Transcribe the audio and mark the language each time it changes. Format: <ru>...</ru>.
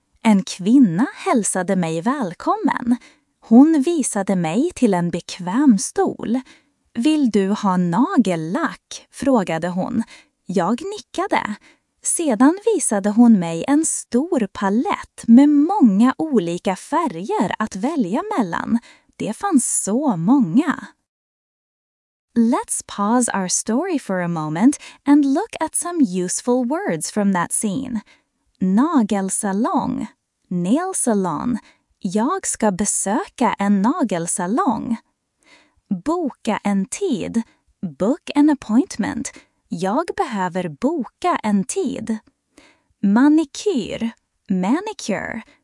<sv>En kvinna hälsade mig välkommen. Hon visade mig till en bekväm stol. Vill du ha nagellack? Frågade hon. Jag nickade. Sedan visade hon mig en stor palett med många olika färger att välja mellan. Det fanns så många.</sv> <en>Let's pause our story for a moment and look at some useful words from that scene.</en> <sv>Nagelsalong. Nail salon. Jag ska besöka en nagelsalong. Boka en tid. Book an appointment. Jag behöver boka en tid. Manikyr. Manicure.</sv>